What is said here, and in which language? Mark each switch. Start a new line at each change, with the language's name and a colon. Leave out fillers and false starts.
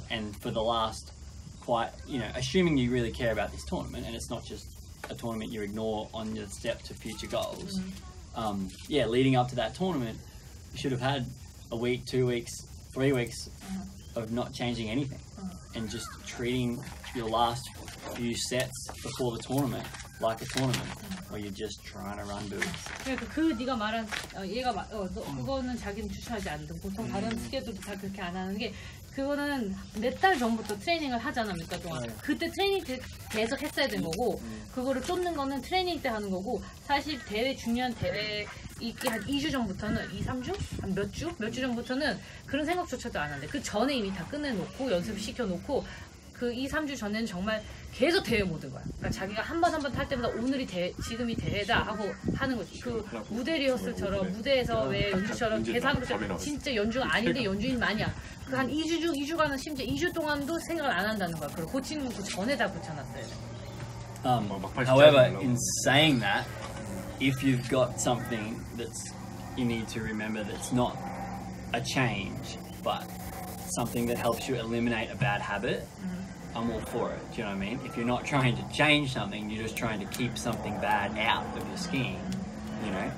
English: And for the last quite, you know, assuming you really care about this tournament and it's not just a tournament you ignore on your step to future goals, yeah, leading up to that tournament, you should have had a week, 2 weeks, 3 weeks of not changing anything and just treating your last few sets before the tournament like a tournament where you're just trying to run boots.
Korean: Yeah, 그 네가 말한 얘가 그거는 자기는 추천하지 않는 보통 다른 스케줄도 다 그렇게 안 하는 게 그거는 몇 달 전부터 트레이닝을 하잖아, 몇 달 동안. 그때 트레이닝 계속 했어야 된 거고, 그거를 쫓는 거는 트레이닝 때 하는 거고, 사실 대회, 중요한 대회 있기 한 2주 전부터는, 2, 3주? 한 몇 주? 몇 주 전부터는 그런 생각조차도 안 한대. 그 전에 이미 다 끝내놓고, 연습시켜놓고, 그 2, 3주 전에는 정말 계속 대회 모드 거야. 그러니까 자기가 한 번 한 번 탈 때마다 오늘이 대회, 지금이 대회다 하고 하는 거지. 그 무대 리허설처럼, 무대에서 왜 연주처럼 계산부터 진짜 연주가 아닌데 연주인 마냥. 그 한 2주 중 2주간은 심지어 2주 동안도 생각을 안 한다는 거야. 그걸 고치는 거 전에다 붙여놨어요.
English: However, in saying that, if you've got something that you need to remember that's not a change, but something that helps you eliminate a bad habit, I'm all for it, do you know what I mean? If you're not trying to change something, you're just trying to keep something bad out of your skiing, you know?